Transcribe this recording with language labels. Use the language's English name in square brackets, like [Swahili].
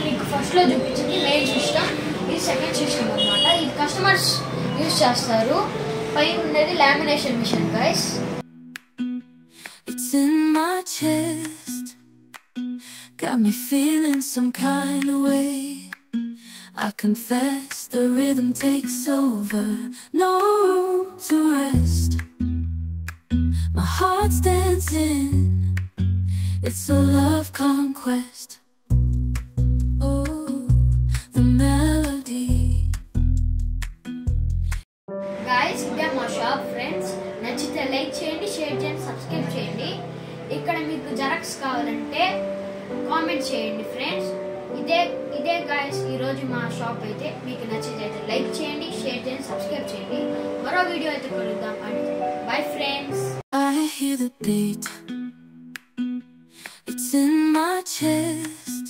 [Telugu] మీకు ఫస్ట్లో చూపించింది మెయిన్ సిస్టమ్, ఇది సెకండ్ సిస్టమ్ అన్నమాట. ఇది కస్టమర్స్ యూజ్ చేస్తారు. పై ఉన్నది lamination machine guys. [English] It's in my chest, got me feeling some kind of way. I confess the rhythm takes over, no to rest. My heart's dancing, it's a love conquest. Oh, the melody. [Telugu] Guys, ఇదే మా shop friends. నచ్చితే like చేయండి, share చేయండి, subscribe చేయండి. ఇక్కడ మీకు xerox కావాలంటే comment చేయండి ఫ్రెండ్స్. ఇదే గాయస్ ఈరోజు మా షాప్ అయితే. మీకు నచ్చితే లైక్ చేయండి, షేర్ చేయండి, సబ్స్క్రైబ్ చేయండి. మరో వీడియో అయితే కలుద్దాం అండి. Bye friends. [English] I hear the beat, it's in my chest.